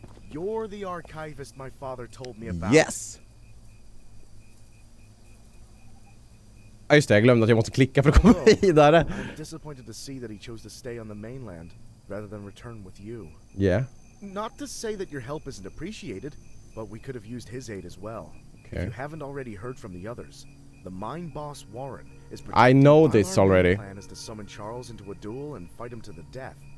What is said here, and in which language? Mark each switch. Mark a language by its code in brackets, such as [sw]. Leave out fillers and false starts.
[en] You're the archivist my father told me about. Yes. [sv] Just det, jag glömde att jag måste klicka för att komma vidare. [en] I'm disappointed to see that he chose to stay on the mainland rather than return with you. Yeah. Not to say that your help isn't appreciated, but we could have used his aid as well. Okay. If you haven't already heard from the others, the mine boss Warren is... I know this already. Our plan is to summon Charles into a duel and fight him to the death.